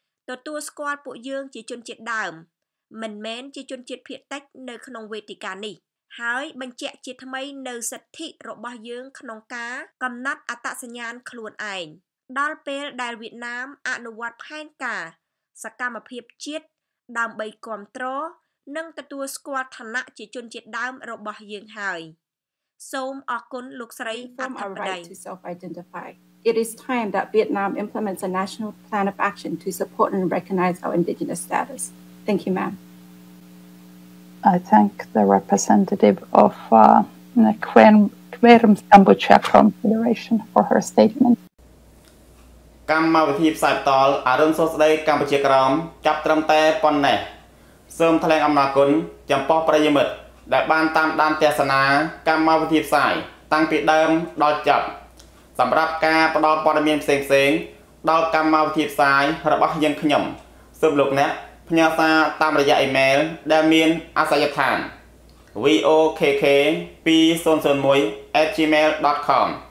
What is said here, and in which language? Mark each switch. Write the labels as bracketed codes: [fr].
[km] ទទួលស្គាល់ពួកយើងជាជនជាតិដើមមិនមែនជាជនជាតិភាគតិចនៅក្នុងវេទិកានេះហើយបញ្ជាក់ជាថ្មីនៅសិទ្ធិរបស់យើងក្នុងការកំណត់អត្តសញ្ញាណខ្លួនឯងដល់ពេលដែលវៀតណាមអនុវត្តផែនការសកម្មភាពជាតិដើម្បីគាំទ្រនិងទទួលស្គាល់ឋានៈជាជនជាតិដើមរបស់យើងហើយសូមអរគុណលោកស្រីអធិបតី [en] It is time that Vietnam implements a national plan of action to support and recognize our indigenous status. Thank you, ma'am. I thank the representative of Khmerim Cambodia Confederation for her statement. [km] កម្មវិធីផ្សាយតលអរុនសុស្ដីកម្ពុជាក្រោមចាប់ត្រឹមតែប៉ុណ្ណេះសូមថ្លែងអំណរគុណចំពោះប្រិយមិត្តដែលបានតាមដានទស្សនាកម្មវិធីផ្សាយតាំងពីដើមដល់ចប់សម្រាប់ការផ្ដល់ព័ត៌មានផ្សេងៗដល់កម្មវិធីផ្សាយរបស់យើងខ្ញុំសូមលោកអ្នកផ្ញើសារតាមរយៈអ៊ីមែលដែលមានអាសយដ្ឋាន vokk201@gmail.com